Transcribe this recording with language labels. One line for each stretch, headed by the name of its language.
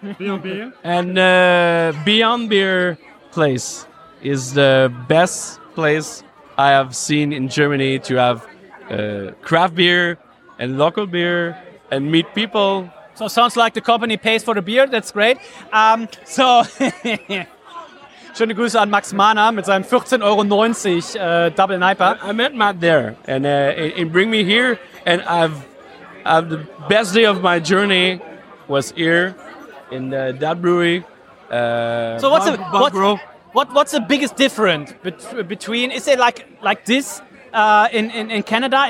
English: Beyond Beer. And Beyond Beer place is the best place I have seen in Germany to have craft beer and local beer and meet people. So sounds like the company pays for the beer. That's great.
German: So, schöne Grüße an Max Mahner mit seinem 14,90 € Double Nipa.
English: I met Matt there, and he bring me here, and I have the best day of my journey. Was here in that brewery. So what's the biggest difference between, is it like this in Canada?